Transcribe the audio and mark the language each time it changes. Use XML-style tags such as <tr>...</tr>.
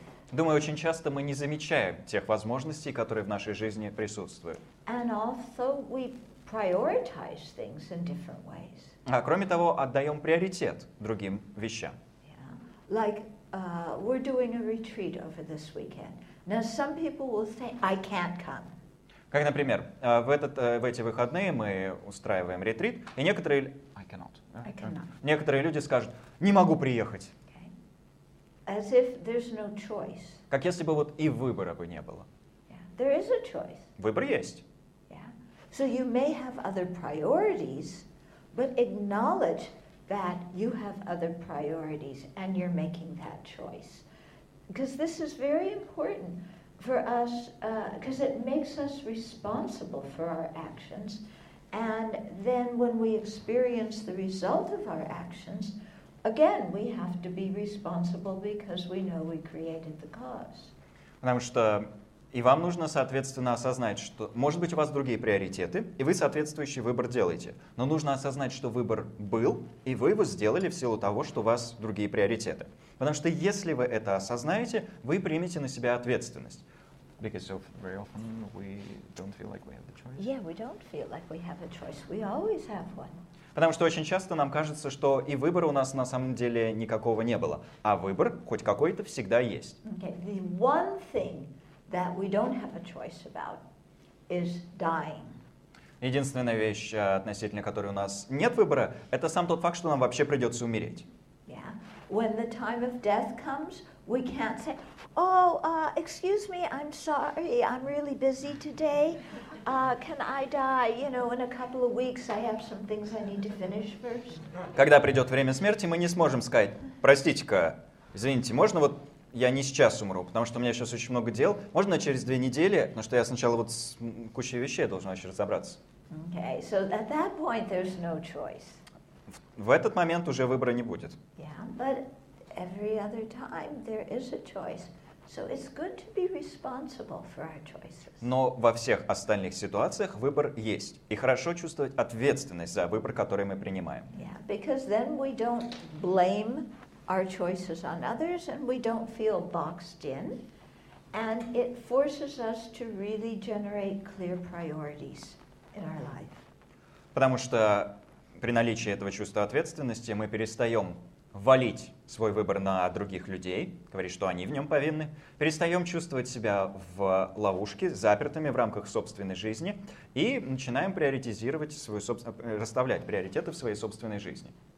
<ru>Думаю, очень часто мы не замечаем тех возможностей, которые в нашей жизни присутствуют.</ru> <en>And also we prioritize things in different ways.</en> <ru>А кроме того, отдаем приоритет другим вещам.</ru> <en>Yeah. Like, we're doing a retreat over this weekend. Now some people will say, "I can't come."</en> <ru>Как, например, в эти выходные мы устраиваем ретрит, и некоторые...</ru> <en>I cannot.</en> <ru>Некоторые люди скажут: не могу приехать.</ru> <en>As if there's no choice.</en> <ru>Как если бы вот и выбора бы не было.</ru> <en>Yeah. There is a choice.</en> <ru>Выбор есть.</ru> <en>Yeah. So you may have other priorities, but acknowledge that you have other priorities and you're making that choice. Because this is very important for us, because it makes us responsible for our actions. And then when we experience the result of our actions, again, we have to be responsible because we know we created the cause.</en> <ru>Потому что и вам нужно, соответственно, осознать, что, может быть, у вас другие приоритеты, и вы соответствующий выбор делаете. Но нужно осознать, что выбор был, и вы его сделали в силу того, что у вас другие приоритеты. Потому что если вы это осознаете, вы примете на себя ответственность.</ru> <en>Because very often we don't feel like we have the choice. Yeah, we don't feel like we have a choice. We always have one.</en> <ru>Потому что очень часто нам кажется, что и выбора у нас на самом деле никакого не было. А выбор, хоть какой-то, всегда есть.</ru> <en>Okay. The one thing that we don't have a choice about is dying.</en> <ru>Единственная вещь, относительно которой у нас нет выбора, это сам тот факт, что нам вообще придется умереть.</ru> <en>Yeah. When the time of death comes, we can't say, oh, excuse me, I'm sorry, I'm really busy today. Can I die, you know, in a couple of weeks? I have some things I need to finish first.</en> <ru>Когда придет время смерти, мы не сможем сказать: простите-ка, извините, можно вот я не сейчас умру, потому что у меня сейчас очень много дел. Можно через две недели, но что я сначала вот с кучей вещей должен вообще разобраться.</ru> <en>Okay, so at that point there's no choice.</en> <ru>В этот момент уже выбора не будет.</ru> <en>Yeah, but every other time there is a choice. So it's good to be responsible for our choices.</en> <ru>Но во всех остальных ситуациях выбор есть. И хорошо чувствовать ответственность за выбор, который мы принимаем.</ru> <en>Yeah, because then we don't blame our choices on others and we don't feel boxed in. And it forces us to really generate clear priorities in our life.</en> <ru>Потому что при наличии этого чувства ответственности мы перестаем валить свой выбор на других людей, говорить, что они в нем повинны, перестаем чувствовать себя в ловушке, запертыми в рамках собственной жизни, и начинаем приоритизировать свою расставлять приоритеты в своей собственной жизни.</ru>